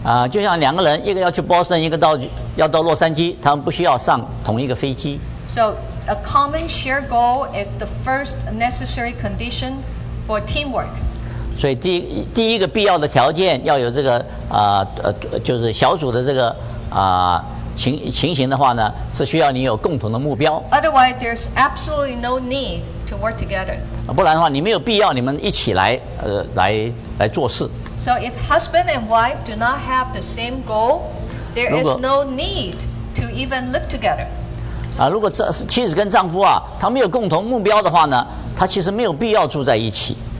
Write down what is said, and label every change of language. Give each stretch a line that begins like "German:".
Chinese: 就像两个人，一个要去 Boston， 一个要到洛杉矶，他们不需要上同一个飞机。
English: So a common shared goal is the first necessary condition for teamwork.
Chinese: 所以第一个必要的条件要有这个就是小组的这个情形的话呢，是需要你有共同的目标。
English: Otherwise, there's absolutely no need to work together.
Chinese: 不然的话，你没有必要你们一起来做事。
English: So if husband and wife do not have the same goal, there is no need to even live together.
Chinese: 如果妻子跟丈夫啊，他没有共同目标的话呢，他其实没有必要住在一起。